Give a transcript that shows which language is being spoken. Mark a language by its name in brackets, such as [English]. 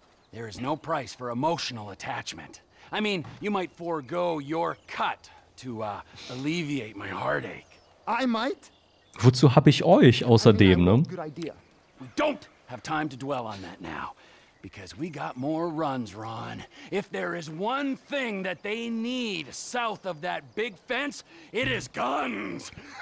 [English] There is no price for emotional attachment. I mean, you might forego your cut to alleviate my heartache. I might. [German] Wozu habe ich euch außerdem, ne? [English] Good idea. We don't have time to dwell on that now, because we got more runs, Ron. If there is one thing that they need south of that big fence, it is guns.